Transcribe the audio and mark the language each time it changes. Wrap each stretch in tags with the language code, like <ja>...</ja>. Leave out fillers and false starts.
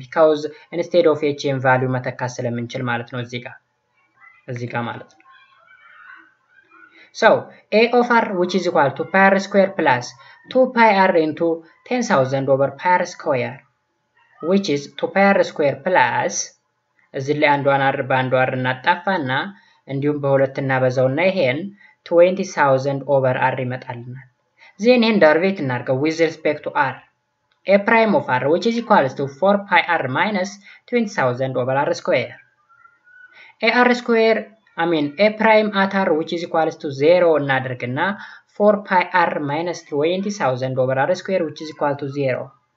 <en>Because instead of h in value</en> <am>መተካ ስለምንችል ማለት ነው እዚህ ጋር. እዚህ ጋር ማለት ነው.</am> <en>So a of r which is equal to pi r square plus 2 pi r into 10,000 over pi r square. Which is 2 pi r square plus</en> <am>እዚህ ላይ አንዷን አር በአንዷ አር እናጣፋና እንዲሁም በሁለት እናበዛውና ይሄን 20,000 over r ይመጣልናል. ዘን ይሄን ደርቤት እናርገው</am> <en>with respect to r. A prime of r which is equal to 4 pi r minus 20,000 over r square. A r square, I mean a prime at r which is equal to 0 እናደርግና 4 pi r minus 20,000 over r square which is equal to 0.</en>